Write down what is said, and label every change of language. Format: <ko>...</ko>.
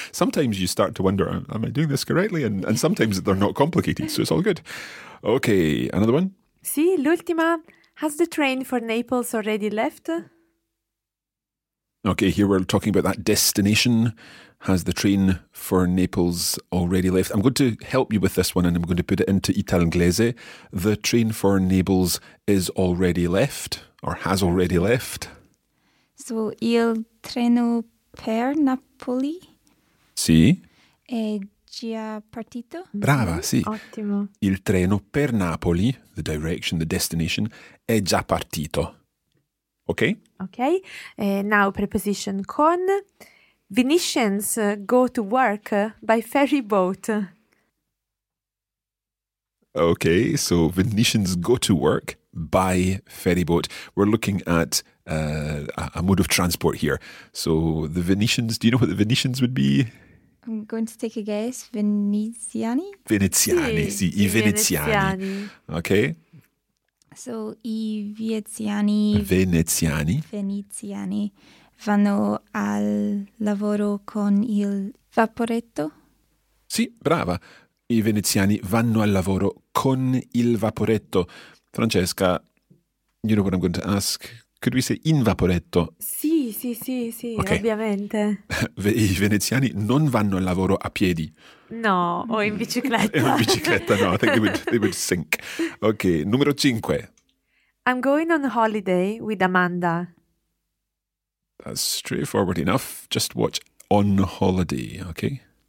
<en>Sometimes you start to wonder, am I doing this correctly? And sometimes they're not complicated, so it's all good. Okay, another one?</en> <it>Sì, l'ultima.</it> <en>Has the train for Naples already left? Okay, here we're talking about that destination. Has the train for Naples already left? I'm going to help you with this one and I'm going to put it into Italianglese. The train for Naples is already left or has already left.</en> <it>So, il treno per Napoli? Sì. È già partito? Brava, sì. Ottimo. Il treno per Napoli,</it> <en>the direction, the destination,</en> <it>è già partito.</it> <en>Okay? Okay. Now, preposition con. Venetians go to work by ferry boat. Okay, so Venetians go to work by ferry boat. We're looking at a mode of transport here. So the Venetians, do you know what the Venetians would be? I'm going to take a guess. Veneziani?</en> <it>Veneziani, sì. Sì, I Veneziani. Veneziani.</it> <en>Okay.</en> <it>So I Veneziani. Veneziani. Veneziani. Vanno al lavoro con il vaporetto? Sì, brava. I Veneziani vanno al lavoro con il vaporetto.</it> <en>Francesca, you know what I'm going to ask? Could we say</en> <it>in vaporetto? Sì, sì, sì, sì, okay. Ovviamente. I Veneziani non vanno al lavoro a piedi? No, o in bicicletta. In bicicletta,</it> <en>no, I think they would sink.</en> <it>Ok, numero 5.</it> <en>I'm going on holiday with Amanda. That's straightforward enough. Just watch on holiday, okay?</en>